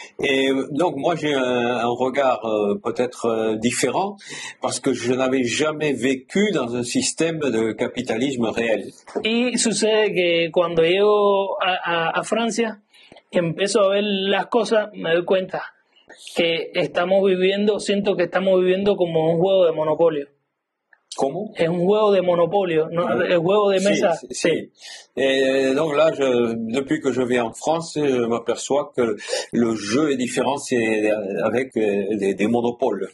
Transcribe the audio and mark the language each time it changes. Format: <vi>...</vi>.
<fr>Et donc moi j'ai un regard peut-être différent parce que je n'avais jamais vécu dans un système de capitalisme réel.</fr> <es>Y sucede que cuando llego a Francia y empiezo a ver las cosas, me doy cuenta que estamos viviendo, siento que estamos viviendo como un juego de monopolio. ¿Cómo? Es un juego de monopolio, ¿no? Es un juego de mesa. Sí.</es> <fr>Donc là, depuis que je vis en France, je m'aperçois que le jeu est différent, c'est avec des monopoles.</fr>